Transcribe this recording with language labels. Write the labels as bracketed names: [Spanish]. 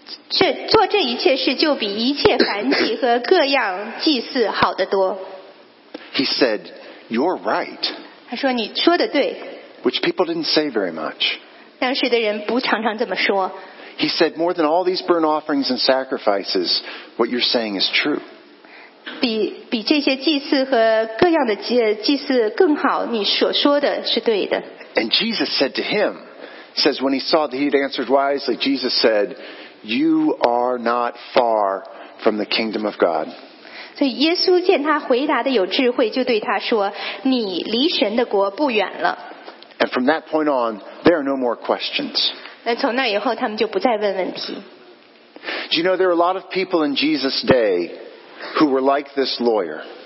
[Chinese] 这做这一切事，就比一切燔祭和各样祭祀好得多。 [English] He said, "You're right." [Chinese] 他说你说的对。 [English] Which people didn't say very much. [Chinese] 当时的人不常常这么说。 [English] He said, "More than all these burnt offerings and sacrifices, what you're saying is true." [Chinese] 比这些祭祀和各样的祭祀更好，你所说的是对的。 [English] And Jesus said to him, says when he saw that he had answered wisely, Jesus said, "You are not far from the kingdom of God." [Chinese] 所以耶稣见他回答的有智慧，就对他说，你离神的国不远了。 [English] And from that point on, there are no more questions. [Chinese] 那从那以后，他们就不再问问题。 [English] Do you know there are a lot of people in Jesus' day who were like this lawyer?